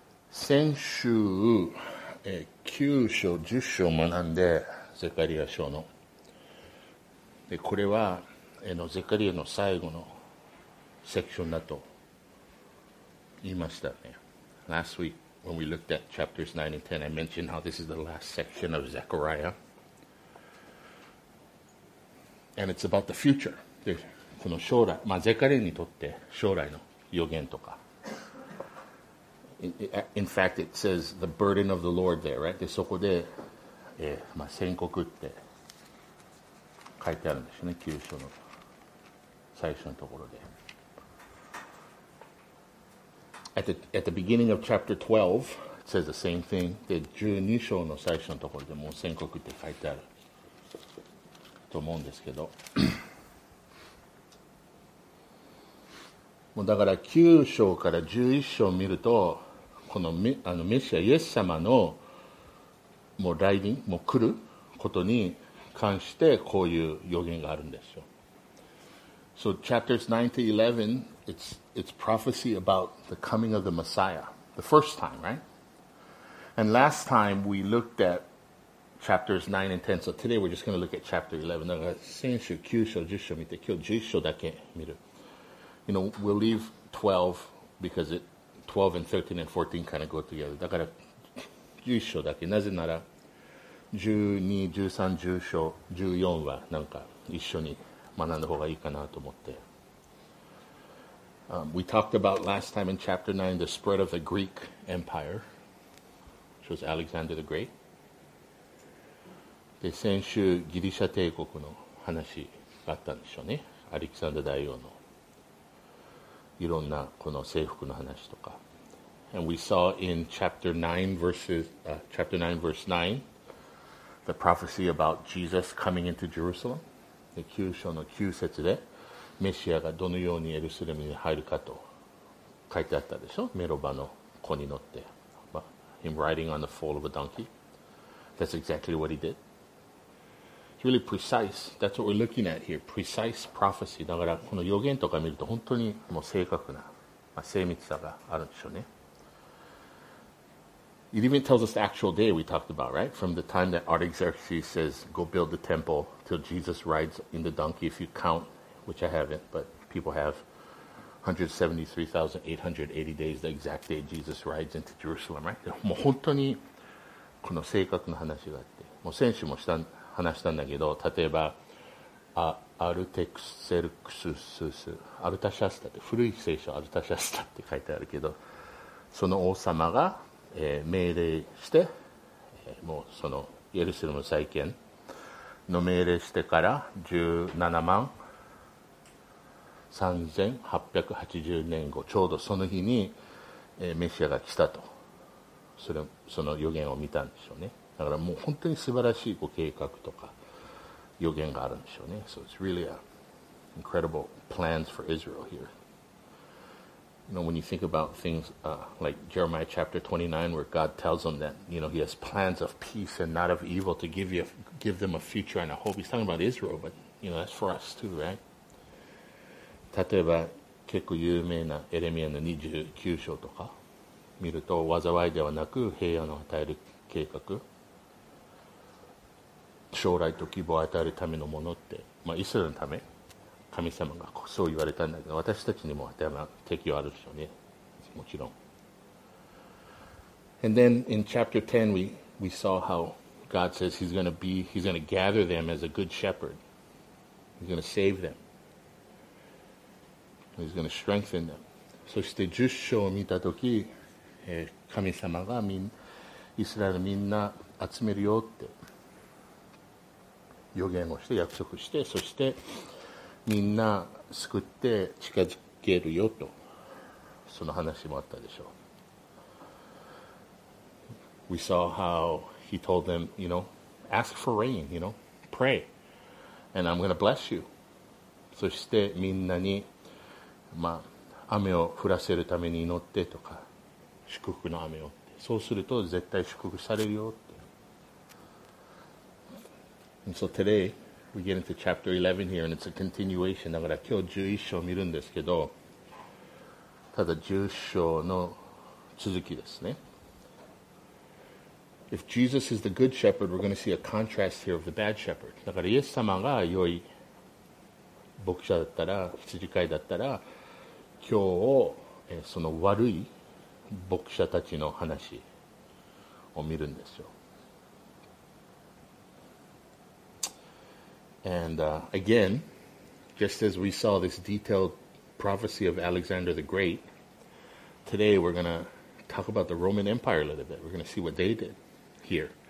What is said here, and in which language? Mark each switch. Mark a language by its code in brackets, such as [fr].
[ja] 先週、9章、10章を学んで、ゼカリア書の。で、これは、ゼカリアの最後のセクションだと言いましたね。 [en] Last week, when we looked at chapters 9 and 10, I mentioned how this is the last section of Zechariah. And it's about the future. [ja] で、この将来、まあ、ゼカリアにとって将来の予言とか。 [en] In fact, it says the burden of the Lord there, right? [ja] で、そこで、まあ、宣告って書いてあるんですよね、九章の最初のところで。 [en] At the beginning of chapter 12, it says the same thing. [ja] で、12章の最初のところでもう宣告って書いてあると思うんですけど。もうだから九章から11章を見ると、このメシア、イエス様のもう来臨、もう来ることに関してこういう予言があるんですよ。 [en] So chapters 9 to 11, it's prophecy about the coming of the Messiah, the first time, right? And last time we looked at chapters 9 and 10, so today we're just going to look at chapter 11. [ja] だから先週9章、10章見て、今日11章だけ見る。 [en] You know, we'll leave 12 because it 12 and 13 and 14 kind of go together. [ja] だから11章だけ。なぜなら12、13、10章、14はなんか一緒に学んだ方がいいかなと思って。 [en] We talked about last time in chapter 9 the spread of the Greek Empire, which was Alexander the Great. [ja] で、先週ギリシャ帝国の話があったんでしょうね。アレクサンダー大王のいろんなこの征服の話とか。 [en] And we saw in chapter 9, verse 9, the prophecy about Jesus coming into Jerusalem. [ja] で、九章の九節で、メシアがどのようにエルサレムに入るかと書いてあったでしょ？メロバの子に乗って。 [en] Him riding on the foal of a donkey. That's exactly what he did. It's really precise. That's what we're looking at here. Precise prophecy. [ja] だからこの予言とか見ると本当にもう正確な、まあ、精密さがあるんでしょうね。 [en] It even tells us the actual day we talked about, right? From the time that Artaxerxes says, go build the temple, till Jesus rides in the donkey, if you count, which I haven't, but people have 173,880 days, the exact day Jesus rides into Jerusalem, right? [ja] もう本当にこの正確な話があって、もう先週も話したんだけど、例えば、アルテクセルクススス、アルタシャスタって、古い聖書アルタシャスタって書いてあるけど、その王様が、命令して、もうそのイエルサレム再建の命令してから173,880年後、ちょうどその日に、メシアが来たと、その予言を見たんでしょうね。だからもう本当に素晴らしいご計画とか予言があるんでしょうね。 [en] So it's really an incredible plans for Israel here. You know, when you think about things like Jeremiah chapter 29, where God tells them that, you know, he has plans of peace and not of evil to give them a future and a hope. He's talking about Israel, but, you know, that's for us too, right? [ja] 例えば、結構有名なエレミアの29章とか見ると、災いではなく平安を与える計画、将来と希望を与えるためのものって、まあ、イスラエルのため、神様がそう言われたんだけど、私たちにも当てはまる敵はあるでしょうね、もちろん。 [en] And then in chapter 10, we saw how God says he's going to gather them as a good shepherd. He's going to save them. He's going to strengthen them. [ja] そして10章を見たとき、神様がイスラエルみんな集めるよって予言をして、約束して、そしてみんな救って近づけるよと、その話もあったでしょう。 [en] We saw how he told them, you know, ask for rain, you know, pray, and I'm going to bless you. [ja] そしてみんなに、まあ、雨を降らせるために祈ってとか、祝福の雨をって。そうすると絶対祝福されるよって。 [en] And so today,We get into chapter 11 here, and it's a continuation. [ja] だから今日11章を見るんですけど、ただ10章の続きですね。 [en] If Jesus is the good shepherd, we're going to see a contrast here of the bad shepherd. [ja] だからイエス様が良い牧者だったら、羊飼いだったら、今日をその悪い牧者たちの話を見るんですよ。 [en] And again, just as we saw this detailed prophecy of Alexander the Great, today we're going to talk about the Roman Empire a little bit. We're going to see what they did here.